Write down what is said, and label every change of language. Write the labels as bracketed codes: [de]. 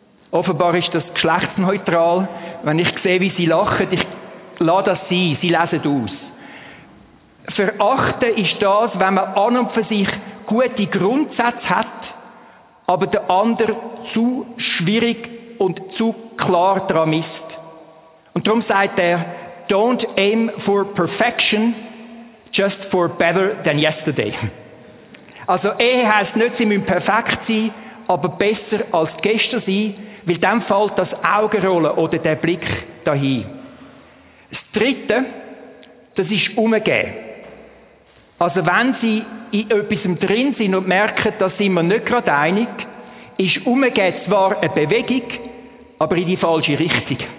[de] Offenbar ist das geschlechtsneutral. Wenn ich sehe, wie sie lachen, ich lasse das sein, sie lesen aus. Verachten ist das, wenn man an und für sich gute Grundsätze hat, aber der andere zu schwierig und zu klar daran misst. Und darum sagt er, [en] don't aim for perfection, just for better than yesterday. [de] Also Ehe heisst nicht, sie müssen perfekt sein, aber besser als gestern sein, weil dann fällt das Augenrollen oder der Blick dahin. Das Dritte, das ist umgeben. Also wenn Sie in etwas drin sind und merken, da sind wir nicht gerade einig, ist umgeben zwar eine Bewegung, aber in die falsche Richtung.